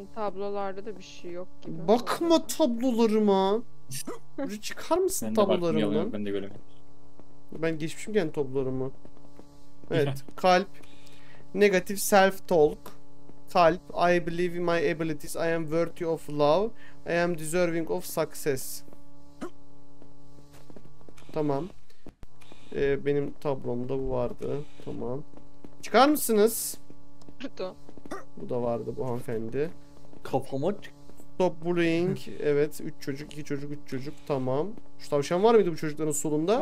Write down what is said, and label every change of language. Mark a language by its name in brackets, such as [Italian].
[Turkish] Tablolarda da bir şey yok gibi. Bakma tablolarıma. Bir çıkar mısın tablolarımı? Ben de göremiyorum. Ben geçmişim kendi tablolarımı. Evet, kalp. [English] Negative self-talk. [Turkish] Kalp. [English] I believe in my abilities. I am worthy of love. I am deserving of success. [Turkish] Tamam. Benim tablomda bu vardı. Tamam. Çıkar mısınız? Bu da vardı bu hanımefendi. Kafama [English] stop bullying. [Turkish] Evet. 3 çocuk. Tamam. Şu tavşan var mıydı bu çocukların solunda?